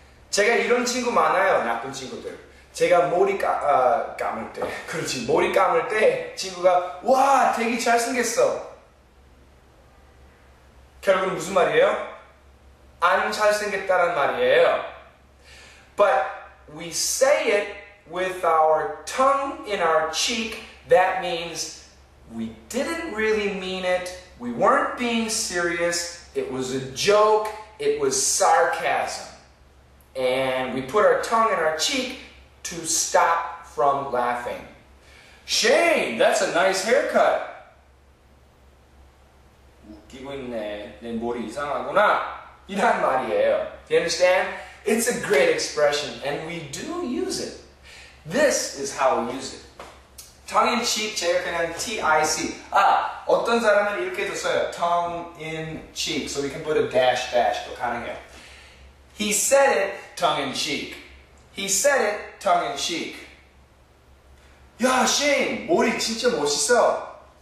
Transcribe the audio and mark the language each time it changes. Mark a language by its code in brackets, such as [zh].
[ko] 제가 이런 친구 많아요. 나쁜 친구들. 제가 머리 감을 때, 그렇지, 머리 감을 때 친구가 와, 되게 잘생겼어. 결국은 무슨 말이에요? 안 잘생겼다는 말이에요. [en] But we say it with our tongue in our cheek. That means we didn't really mean it. We weren't being serious. It was a joke. It was sarcasm. And we put our tongue in our cheek to stop from laughing. Shane, that's a nice haircut. [ko] 웃기고 있네. 내 머리 이상하구나. [en] 이런 말이에요. Do you understand? It's a great expression, and we do use it. This is how we use it. Tongue in cheek, 제가 그냥 T-I-C. [ko] 아, 어떤 사람은 이렇게 썼어요. [en] Tongue in cheek. So we can put a dash, dash, 또 가능해요. He said it, tongue in cheek. He said it tongue-in-cheek. [ko] 야, Shane, 머리 진짜 멋있어.